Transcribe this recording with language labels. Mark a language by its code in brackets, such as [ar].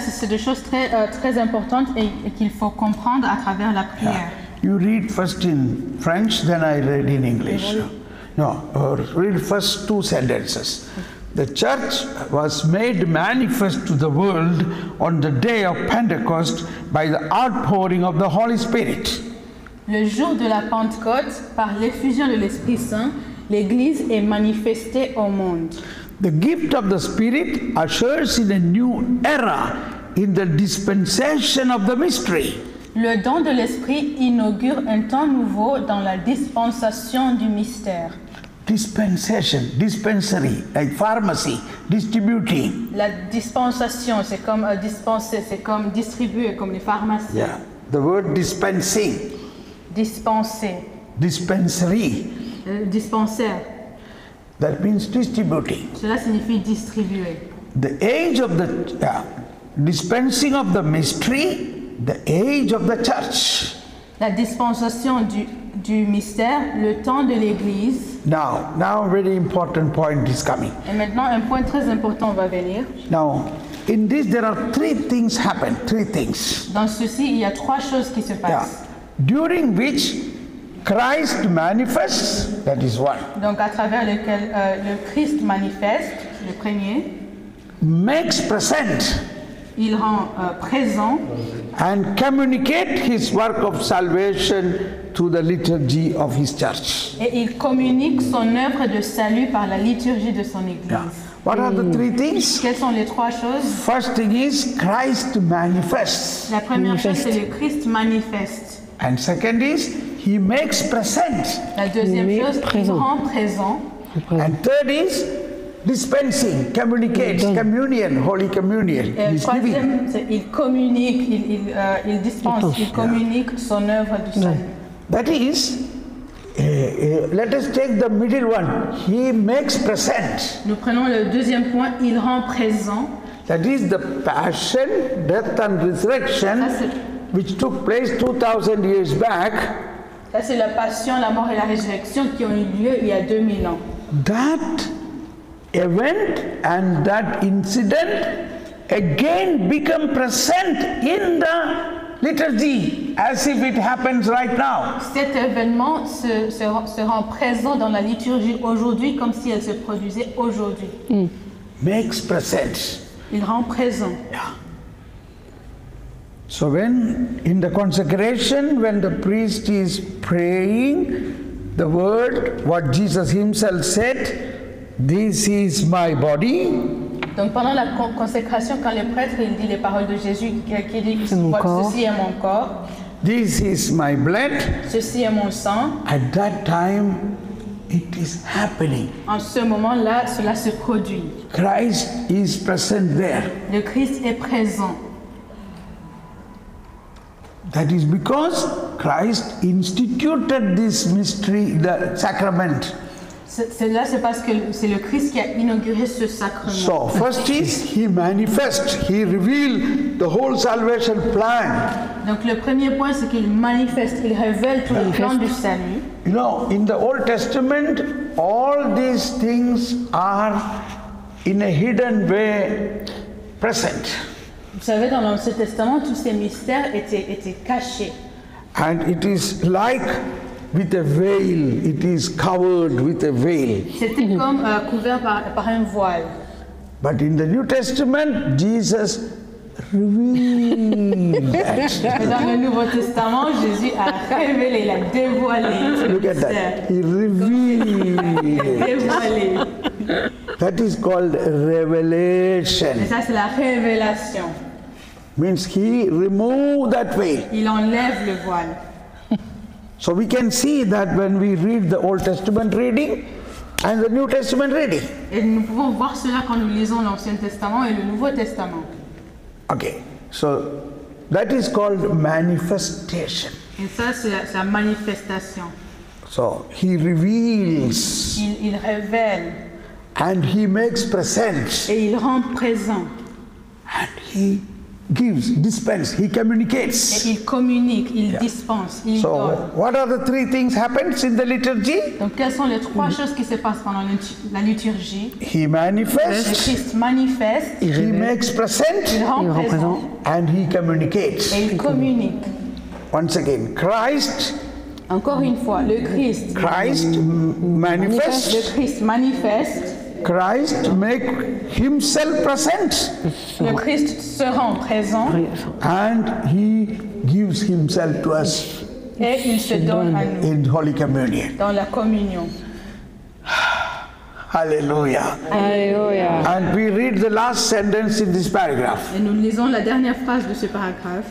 [fr] C'est des choses très très importantes et qu'il faut comprendre à travers la prière. [en] Yeah. You read first in French, then I read in English. No, read first 2 sentences. The church was made manifest to the world on the day of Pentecost by the outpouring of the Holy Spirit. [fr] Le jour de la Pentecôte, par l'effusion de l'Esprit Saint, l'Église est manifestée au monde. [en] The gift of the Spirit ushers in a new era in the dispensation of the mystery. [fr] Le don de l'Esprit inaugure un temps nouveau dans la dispensation du mystère. [en] Dispensation, dispensary, like pharmacy, distributing. [fr] La dispensation, c'est comme dispenser, c'est comme distribuer, comme les pharmacies. [en] Yeah, the word dispensing. [fr] Dispenser. [en] Dispensary. [fr] Dispenser. [en] That means distributing. [fr] Cela signifie distribuer. [en] The age of the dispensing of the mystery, the age of the church. [fr] La dispensation du mystère, le temps de l'Église. [en] Now a very important point is coming. [fr] Et maintenant, un point très important va venir. [en] Now, in this there are three things happen. [fr] Dans ceci, il y a trois choses qui se passent. [en] Yeah. During which Christ manifests, that is one. [fr] Donc à travers lequel le Christ manifeste, le premier. [en] Makes present. [fr] Il rend présent. [en] And communicate his work of salvation to the liturgy of his church. [fr] Et il communique son œuvre de salut par la liturgie de son église. [en] Yeah. What are the three things? [fr] Quelles sont les trois choses? [en] First thing is Christ manifests. [fr] La première chose, c'est le Christ manifeste. [en] And second is he makes present. [fr] La deuxième chose, il rend présent. [en] And third is dispensing, communicates, communion, holy communion. [fr] Il communique, il dispense, il communique son œuvre du salut. [en] That is, let us take the middle one. He makes present. [fr] Nous prenons le deuxième point. Il rend présent. [en] That is the passion, death, and resurrection, which took place 2,000 years back. [fr] Ça c'est la passion, la mort et la résurrection qui ont eu lieu il y a 2000 ans. [en] That event and that incident again become present in the liturgy as if it happens right now. [fr] Cet événement se rend présent dans la liturgie aujourd'hui comme si elle se produisait aujourd'hui. [en] Makes presence. [fr] Il rend présent. [en] Yeah. So when in the consecration, when the priest is praying the word, what Jesus himself said, this is my body. [fr] Donc pendant la consécration, quand le prêtre il dit les paroles de Jésus, qui dit ceci est mon corps. [en] This is my blood. [fr] Ceci est mon sang. [en] At that time, it is happening. [fr] En ce moment-là, cela se produit. [en] Christ is present there. [fr] Le Christ est présent. [en] That is because Christ instituted this mystery, the sacrament. [fr] Cela c'est parce que c'est le Christ qui a inauguré ce sacrement. [en] So first is he manifests, he reveals the whole salvation plan. [fr] Donc le premier point c'est qu'il manifeste, il révèle tout le plan du salut. [en] You know, in the Old Testament, all these things are in a hidden way present. [fr] Vous savez, dans l'Ancien Testament, tous ces mystères étaient cachés. [en] And it is like with a veil, it is covered with a veil. [fr] C'était comme couvert par un voile. [en] But in the New Testament, Jesus revealed. [fr] Dans le Nouveau Testament, Jésus a révélé, il a dévoilé. [en] Look at that. He revealed. [fr] Dévoilé. [en] That is called revelation. [fr] Ça c'est la révélation. [en] Means he removed that veil. [fr] Il enlève le voile. [en] So we can see that when we read the Old Testament reading and the New Testament reading. [fr] Et nous pouvons voir cela quand nous lisons l'Ancien Testament et le Nouveau Testament. [en] Okay, so that is called manifestation. [fr] Et ça c'est la manifestation. [en] So he reveals. [fr] Il révèle. [en] And he makes present. [fr] Et il rend présent. [en] And he gives, dispense, he communicates. [fr] Et il communique, il dispense, il [en] so, [fr] donne. [en] So, what are the three things happens in the liturgy? [fr] Donc, quelles sont les trois choses qui se passent pendant la liturgie? [en] He manifests. [fr] Le Christ manifeste. [en] He makes present. [fr] Il rend présent. [en] And he communicates. [fr] Et il communique. [en] Once again, Christ. [fr] Encore une fois, le Christ. [en] Christ manifests. [fr] Le Christ manifeste. [en] Christ make himself present. [fr] Le Christ se rend présent. [en] And he gives himself to us. [fr] Et il se donne à nous. [en] In Holy Communion. [fr] Dans la communion. [en] Hallelujah. [fr] Hallelujah. [en] And we read the last sentence in this paragraph. [fr] Et nous lisons la dernière phrase de ce paragraphe.